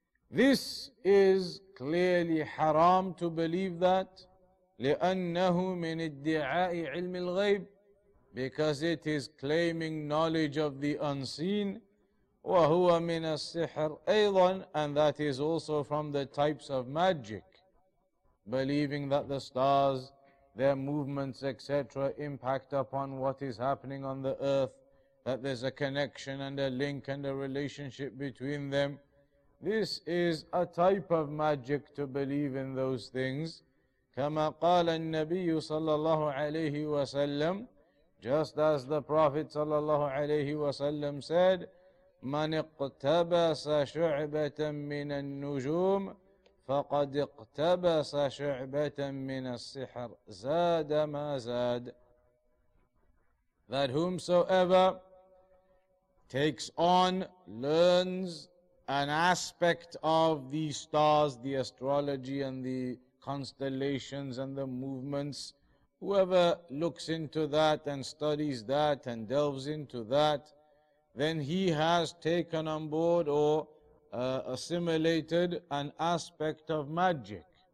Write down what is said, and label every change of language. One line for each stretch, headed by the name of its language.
English: This is clearly haram to believe that,
Arabic: لِأَنَّهُ مِنْ إِدِّعَاءِ عِلْمِ الْغَيْبِ,
English: because it is claiming knowledge of the unseen,
Arabic: وَهُوَ مِنَ السِّحْرِ أَيْضًا,
English: and that is also from the types of magic, believing that the stars, their movements, etc., impact upon what is happening on the earth, that there's a connection and a link and a relationship between them. This is a type of magic to believe in those things.
Arabic: كما قال النبي صلى الله عليه وسلم,
English: just as the Prophet صلى الله عليه وسلم said,
Arabic: من اقتبس شعبة من النجوم فقد اقتبس شعبة من السحر زاد ما زاد.
English: That whomsoever takes on, learns an aspect of the stars, the astrology and the constellations and the movements, whoever looks into that and studies that and delves into that, then he has taken on board or assimilated an aspect of magic.